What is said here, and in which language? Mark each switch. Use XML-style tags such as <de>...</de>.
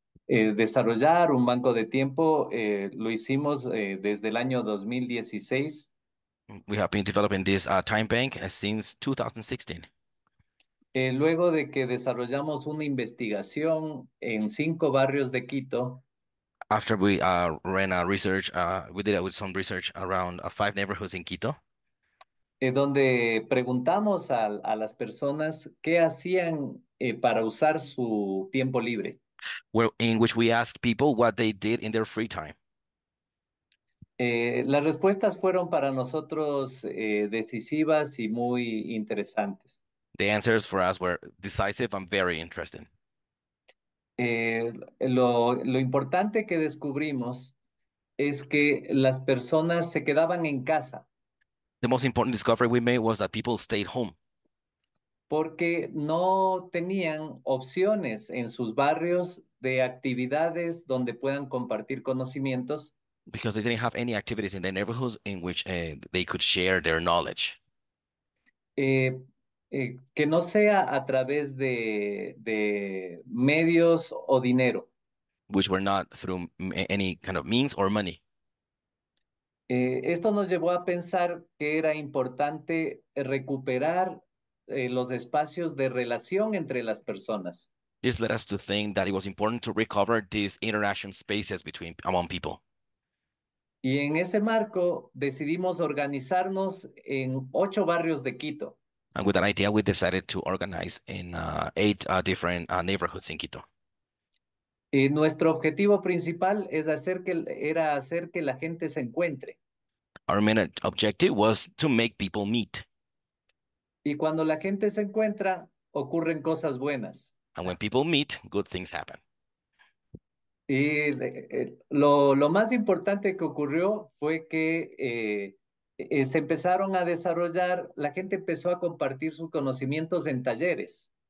<es>Desarrollar un banco de tiempo lo hicimos desde el año 2016.</es> <en>We have been developing this time bank since 2016.</en> <es>Luego de que desarrollamos una investigación en 5 barrios de Quito.</es> <en>After we ran a research, we did it with some research around 5 neighborhoods in Quito.</en> <es>Donde preguntamos a las personas qué hacían para usar su tiempo libre.</es> <en>Well, in which we asked people what they did in their free time.</en> <es>Las respuestas fueron para nosotros decisivas y muy interesantes.</es> <en>The answers for us were decisive and very interesting.</en> <es>Lo importante que descubrimos es que las personas se quedaban en casa.</es> <en>The most important discovery we made was that people stayed home.</en> <es>Porque no tenían opciones en sus barrios de actividades donde puedan compartir conocimientos.</es> <en>Because they didn't have any activities in their neighborhoods in which they could share their knowledge.</en> <es>Que no sea a través de medios o dinero.</es> <en>Which were not through any kind of means or money.</en> <es>Esto nos llevó a pensar que era importante recuperar los espacios de relación entre las personas.</es> <en>This led us to think that it was important to recover these interaction spaces between among people.</en> <es>Y en ese marco decidimos organizarnos en 8 barrios de Quito.</es> <en>And with that idea, we decided to organize in 8 different neighborhoods in Quito.</en> <es>Y nuestro objetivo principal es hacer que era hacer que la gente se encuentre.</es> <en>Our main objective was to make people meet.</en> <es>Y cuando la gente se encuentra, ocurren cosas buenas.</es> <en>And when people meet, good things happen.</en> <es>Y lo más importante que ocurrió fue que se empezaron a desarrollar, la gente empezó a compartir sus conocimientos en talleres.</es>